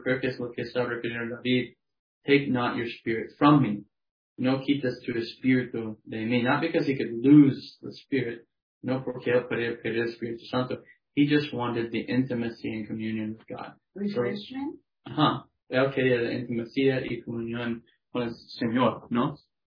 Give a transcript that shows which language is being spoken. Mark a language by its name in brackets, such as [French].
[Spanish] Creo que es lo que está refiriendo David. [English] Take not your spirit from me. [Spanish] No quitas tu espíritu de mí. [English] Not because he could lose the spirit. [Spanish] No porque él podía perder el Espíritu Santo. [English] He just wanted the intimacy and communion with God. Refreshment? [Spanish] Él quería la intimacy y comunión con el Señor, ¿no?